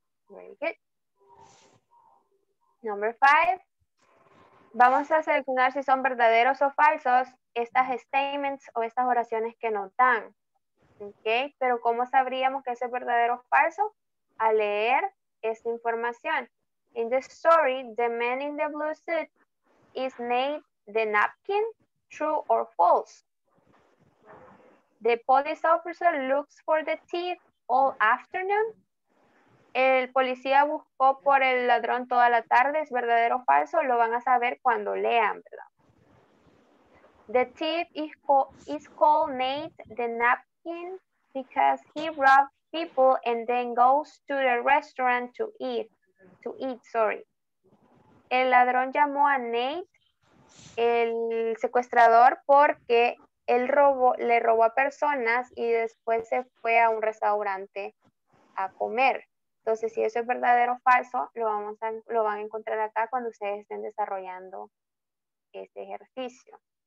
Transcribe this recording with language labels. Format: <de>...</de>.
<en>Very good. Number 5.</en> <es>Vamos a seleccionar si son verdaderos o falsos estas statements o estas oraciones que nos dan. Okay. Pero ¿cómo sabríamos que es verdadero o falso? A leer esta información.</es> <en>In the story, the man in the blue suit is Nate the napkin, true or false? The police officer looks for the thief all afternoon.</en> <es>El policía buscó por el ladrón toda la tarde, ¿es verdadero o falso? Lo van a saber cuando lean, ¿verdad?</es> <en>The thief is called Nate the napkin because he robs people and then goes to the restaurant to eat.</en> <es>El ladrón llamó a Nate, el secuestrador, porque le robó a personas y después se fue a un restaurante a comer. Entonces, si eso es verdadero o falso, lo van a encontrar acá cuando ustedes estén desarrollando este ejercicio.</es>